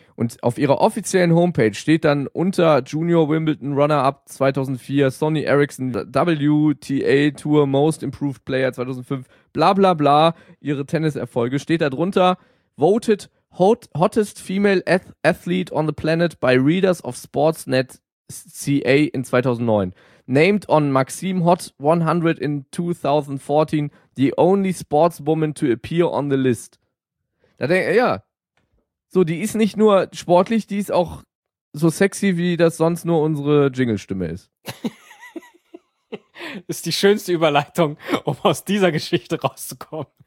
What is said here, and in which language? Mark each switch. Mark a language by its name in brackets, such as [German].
[German] Und auf ihrer offiziellen Homepage steht dann unter Junior Wimbledon Runner-Up 2004, Sonny Eriksson WTA Tour Most Improved Player 2005, bla bla bla, ihre Tenniserfolge, steht da drunter, [English] voted hottest female athlete on the planet by readers of Sportsnet CA in 2009. Named on Maxime Hot 100 in 2014, the only sportswoman to appear on the list. [German] Da denke ich, ja. So, die ist nicht nur sportlich, die ist auch so sexy, wie das sonst nur unsere Jingle-Stimme ist. Das ist die schönste Überleitung, um aus dieser Geschichte rauszukommen.